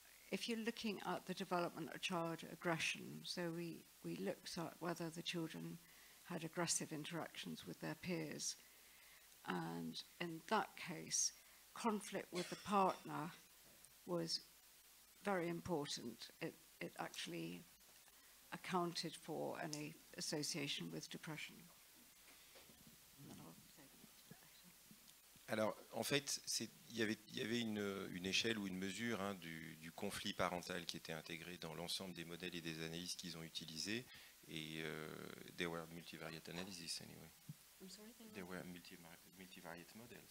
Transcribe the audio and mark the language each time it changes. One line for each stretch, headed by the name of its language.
English: If you're looking at the development of child aggression, so we looked at whether the children had aggressive interactions with their peers, and in that case, conflict with the partner was very important. It actually accounted for any association with depression.
French: Alors, en fait, il y avait une échelle ou une mesure hein, du conflit parental qui était intégré dans l'ensemble des modèles et des analyses qu'ils ont utilisés.
English: Et they were multivariate analyses, anyway. I'm sorry, they were multivariate models.